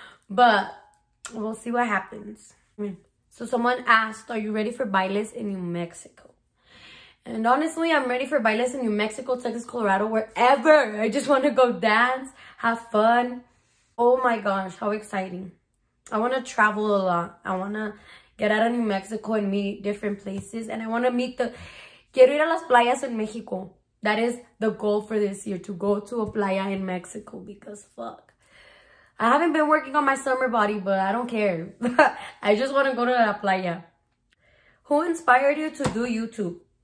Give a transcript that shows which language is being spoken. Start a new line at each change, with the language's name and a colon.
English: But we'll see what happens. So someone asked, are you ready for Bayless in New Mexico? And honestly, I'm ready for Bayless in New Mexico, Texas, Colorado, wherever. I just want to go dance, have fun. Oh my gosh, how exciting. I want to travel a lot. I want to get out of New Mexico and meet different places. And I want to meet the...
Spanish: Quiero ir a las playas en Mexico.
English: That is the goal for this year, to go to a playa in Mexico, because fuck. I haven't been working on my summer body, but I don't care. I just want to go to La Playa. Who inspired you to do YouTube?